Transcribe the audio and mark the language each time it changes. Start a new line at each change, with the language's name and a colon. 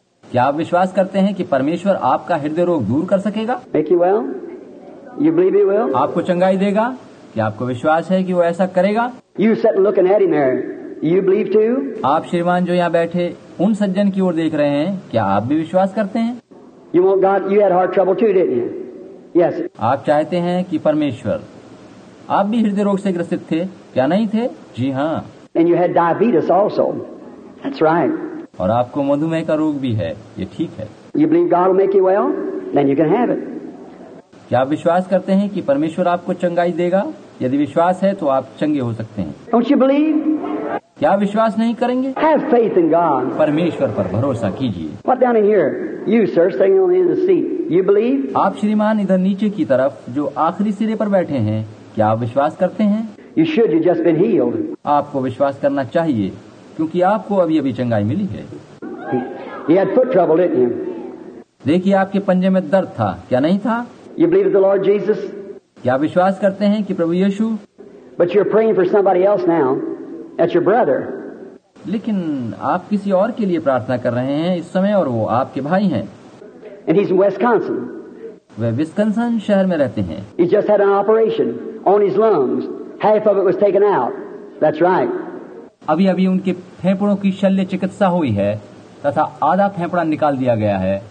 Hindi: क्या आप विश्वास करते हैं कि परमेश्वर आपका हृदय रोग दूर कर सकेगा?
English: Make you well? You believe he will?
Hindi: आपको चंगाई देगा? क्या आपको विश्वास है कि वो ऐसा करेगा?
English: You sit looking at him there. You believe too?
Hindi: आप श्रीमान जो यहाँ बैठे, उन सज्जन की ओर देख रहे हैं, क्या आप भी विश्वास करते हैं?
English: You want God, you had heart trouble too, didn't you? Yes.
Hindi: आप चाहते हैं कि परमेश्वर, आप भी हृदय रोग से ग्रसित थे क्या? नहीं थे? जी हाँ.
English: And you had diabetes also. That's right.
Hindi: और आपको मधुमेह का रोग भी है, ये ठीक है.
English: You believe God will make you well? Then you can have it.
Hindi: क्या आप विश्वास करते हैं कि परमेश्वर आपको चंगाई देगा? यदि विश्वास है तो आप चंगे हो सकते हैं.
English: Don't you believe?
Hindi: क्या विश्वास नहीं करेंगे?
English: Have faith in God.
Hindi: परमेश्वर पर भरोसा कीजिए.
English: What down in here? You, sir, sitting on the end of the seat. You believe?
Hindi: आप श्रीमान इधर नीचे की तरफ जो आखिरी सिरे पर बैठे हैं, क्या आप विश्वास करते हैं?
English: You should. You just been healed.
Hindi: आपको विश्वास करना चाहिए क्योंकि आपको अभी चंगाई मिली है.
English: He had foot trouble, didn't he?
Hindi: देखिए, आपके पंजे में दर्द था, क्या नहीं था?
English: You believe the Lord Jesus?
Hindi: क्या विश्वास करते हैं कि प्रभु यीशु?
English: But you're praying for somebody else now. That's your brother.
Hindi: लेकिन आप किसी और के लिए प्रार्थना कर रहे हैं इस समय, और वो आपके भाई हैं.
English: And he's in Wisconsin.
Hindi: Way Wisconsin शहर में रहते हैं.
English: He just had an operation on his lungs. Half of it was taken out. That's right.
Hindi: अभी उनके फेफड़ों की शल्य चिकित्सा हुई है तथा आधा फेफड़ा निकाल दिया गया है.